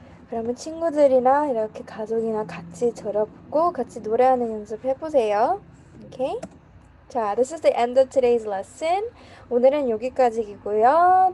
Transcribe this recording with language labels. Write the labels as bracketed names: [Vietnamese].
[Korean] 그러면 친구들이랑 이렇게 가족이나 같이 들었고 같이 노래하는 연습해보세요. [English] Okay? 자, this is the end of today's lesson. [Korean] 오늘은 여기까지이고요.